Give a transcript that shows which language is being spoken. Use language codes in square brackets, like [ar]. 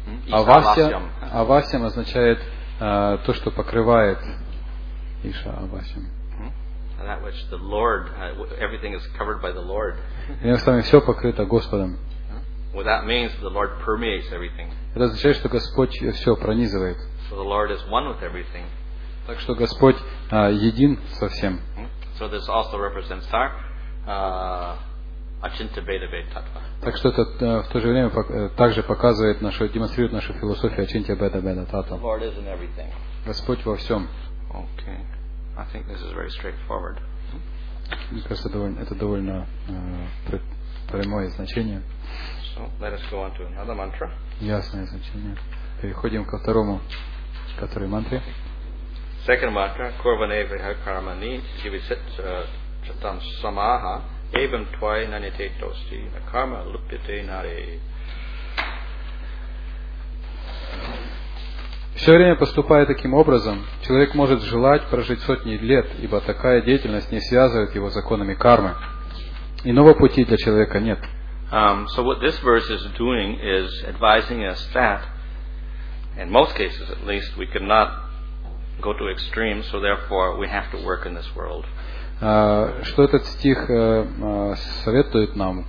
[ru] Авасям означает то, что покрывает. Иша Авасям. [en] And that which the Lord, everything is covered by the Lord. [ru] Все покрыто Господом. [en] Well, that means the Lord permeates everything. [ru] Это означает, что Господь все пронизывает. [en] So the Lord is one with everything. [ru] Так что Господь един со всем. [en] So this also represents Sar, Achintabhedavetattva. [ru] Так что это в то же время также показывает нашу, демонстрирует нашу философию Achintabhedavetattva. [en] The Lord is in everything. [ru] Господь во всем. [en] Okay. I think this is very straightforward. [ru] Мне кажется, это довольно прямое значение. [en] So let us go on to another mantra. [ru] Ясное значение. Переходим ко второму, который мантре. [en] Second mantra: [sa] Kurvane vriha karmani jivisit chatam samaha evam tvai nanyate tosti na karma lupyate nare. [ru] Все время поступая таким образом, человек может желать прожить сотни лет, ибо такая деятельность не связывает его законами кармы. Иного пути для человека нет. [en] So what this verse is doing is advising us that, in most cases at least, we cannot go to extremes, so therefore we have to work in this world. [ru] Что этот стих советует нам?